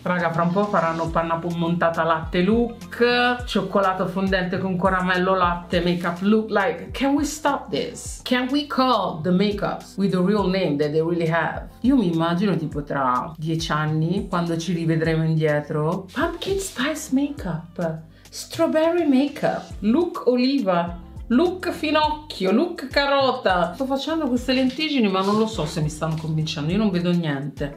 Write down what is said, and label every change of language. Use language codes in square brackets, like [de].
[it] Raga, fra un po' faranno panna montata latte look, cioccolato fondente con caramello latte makeup look. [en] Like, can we stop this? Can we call the makeups with the real name that they really have? [it] Io mi immagino tipo tra 10 anni, quando ci rivedremo indietro, pumpkin spice makeup, strawberry makeup, look oliva. Look finocchio, look carota. Sto facendo queste lentiggini, ma non lo so se mi stanno convincendo, io non vedo niente.